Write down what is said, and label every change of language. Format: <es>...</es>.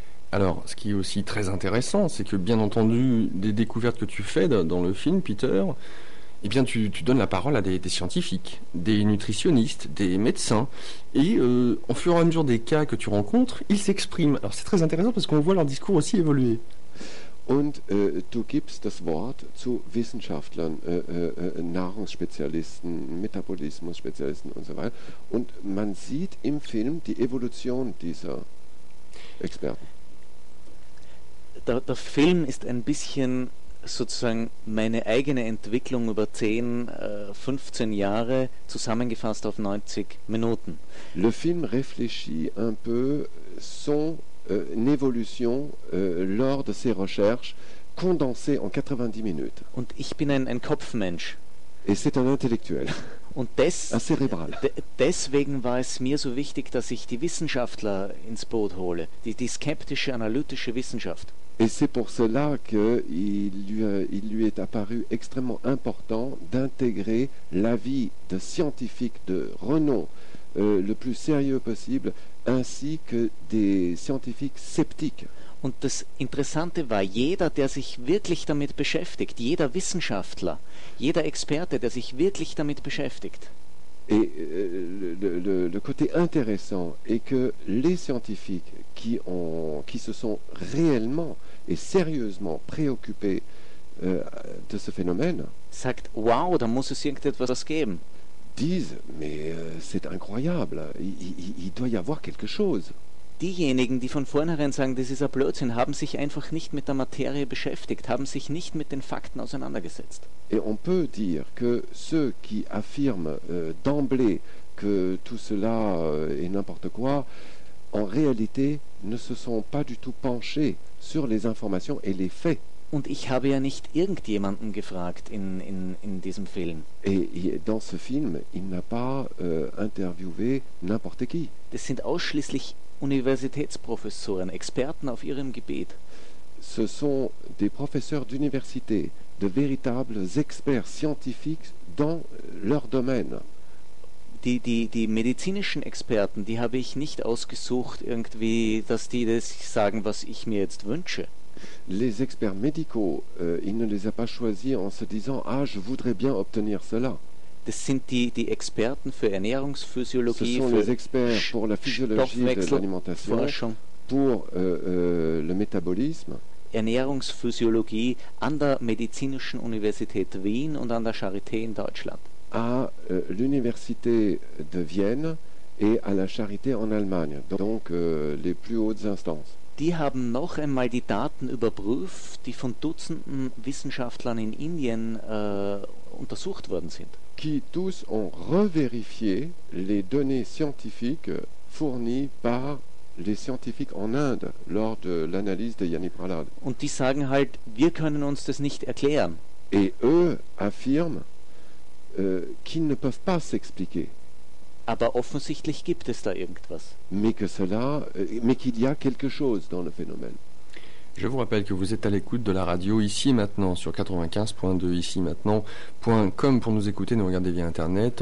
<fr>Alors, ce qui est aussi très intéressant, c'est que, bien entendu, des découvertes que tu fais dans le film, Peter, eh bien, tu donnes la parole à des scientifiques, des nutritionnistes, des médecins, et au fur et à mesure des cas que tu rencontres, ils s'expriment. Alors, c'est très intéressant parce qu'on voit leur discours aussi évoluer.</fr> <de>Und du gibst das Wort zu Wissenschaftlern, Nahrungsspezialisten, Metabolismus-Spezialisten und so weiter. Und man sieht im Film die Evolution dieser Experten. Der Film ist ein bisschen sozusagen meine eigene Entwicklung über 10, 15 Jahre zusammengefasst auf 90 Minuten.</de> <fr>Le film réfléchit un peu son évolution lors de ses recherches condensée en 90 minutes.</fr> <de>Und ich bin ein Kopfmensch.</de> <fr>Et c'est un intellectuel.</fr> <de>Und deswegen war es mir so wichtig, dass ich die Wissenschaftler ins Boot hole, die skeptische, analytische Wissenschaft.</de> <fr>Et c'est pour cela qu'il lui est apparu extrêmement important d'intégrer l'avis de scientifiques de renom le plus sérieux possible, ainsi que des scientifiques sceptiques.</fr> <de>Und das Interessante war, jeder, der sich wirklich damit beschäftigt, jeder Wissenschaftler, jeder Experte, der sich wirklich damit beschäftigt.</de> <fr>Et le côté intéressant est que les scientifiques qui se sont réellement et sérieusement préoccupés de ce phénomène</fr> <de>sagt, wow, da muss es irgendetwas geben.</de> <fr>Disent, mais c'est incroyable, il doit y avoir quelque chose.</fr> <de>Diejenigen, die von vornherein sagen, das ist ein Blödsinn, haben sich einfach nicht mit der Materie beschäftigt, haben sich nicht mit den Fakten auseinandergesetzt.</de> <fr>Et on peut dire que ceux qui affirment d'emblée que tout cela est n'importe quoi, en réalité ne se sont pas du tout penchés sur les informations et les faits.</fr> <de>Und ich habe ja nicht irgendjemanden gefragt in diesem Film.</de> <fr>Et dans ce film, il n'a pas interviewé n'importe qui.</fr> <de>Das sind ausschließlich Universitätsprofessoren, Experten auf ihrem Gebiet.</de> <fr>Ce sont des professeurs d'université, de véritables experts scientifiques dans leur domaine.</fr> <de>Die medizinischen Experten, die habe ich nicht ausgesucht, irgendwie, dass die das sagen, was ich mir jetzt wünsche.</de> <fr>Les experts médicaux, il ne les a pas choisis en se disant, ah, je voudrais bien obtenir cela.</fr> <de>Das sind die Experten für Ernährungsphysiologie,</de> <fr>ce sont les experts pour la physiologie de l'alimentation, pour le métabolisme.</fr> <de>Ernährungsphysiologie an der medizinischen Universität Wien und an der Charité in Deutschland.</de> <fr>À l'université de Vienne et à la Charité en Allemagne, donc les plus hautes instances.</fr> <de>Die haben noch einmal die Daten überprüft, die von Dutzenden Wissenschaftlern in Indien untersucht worden sind.</de> <fr>Qui tous ont revérifié les données scientifiques fournies par les scientifiques en Inde lors de l'analyse de Yani Prahlad.</fr> <de>Und die sagen halt, wir können uns das nicht erklären.</de> <fr>Et eux affirment qu'ils ne peuvent pas s'expliquer.</fr> <de>Aber offensichtlich gibt es da irgendwas.</de> <fr>Mais que cela, mais qu'il y a quelque chose dans le phénomène. Je vous rappelle que vous êtes à l'écoute de la radio ici et maintenant sur 95.2 ici et maintenant.com pour nous écouter, nous regarder via internet.</fr>